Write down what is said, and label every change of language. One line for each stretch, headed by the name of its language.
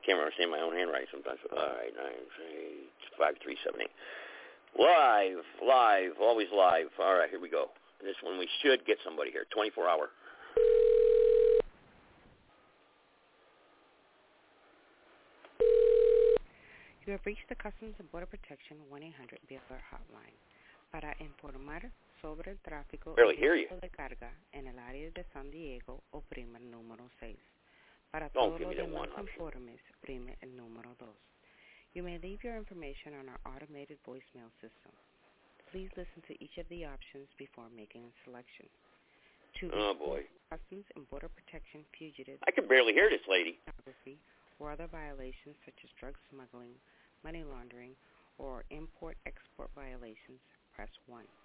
English: I can't remember my own handwriting sometimes. All right. 9, 3, 5, 3, 7, 8. Live. Always live. All right. Here we go. This one we should get somebody here. 24-hour. You have reached the Customs and Border Protection 1-800 BFR hotline.
Spanish: Para informar sobre el tráfico de carga en el área de San Diego, oprime el número 6. Para todos los demás informes, oprime el número 2.
English: You may leave your information on our automated voicemail system. Please listen to each of the options before making a selection. Customs and Border Protection fugitives. I can barely hear this lady. Or other violations such as drug smuggling, money laundering, or import-export violations, press 1.